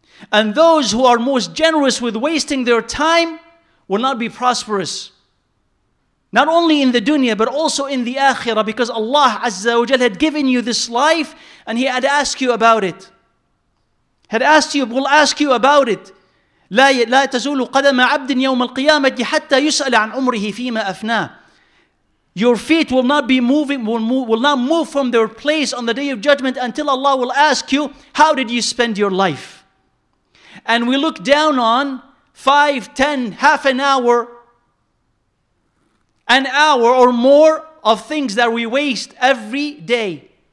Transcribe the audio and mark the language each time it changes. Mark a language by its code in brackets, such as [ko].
[en] And those who are most generous with wasting their time will not be prosperous. Not only in the dunya, but also in the akhirah, because Allah Azza wa Jalla had given you this life and He had asked you about it. Had asked you, will ask you about it. [ar] لا تزول قدم عبد يوم القيامة حتى يسأل عن عمره فيما أفناه. [en] Your feet will not be moving, will not move from their place on the day of judgment until Allah will ask you, how did you spend your life? And we look down on 5, 10, half an hour, an hour or more of things that we waste every day.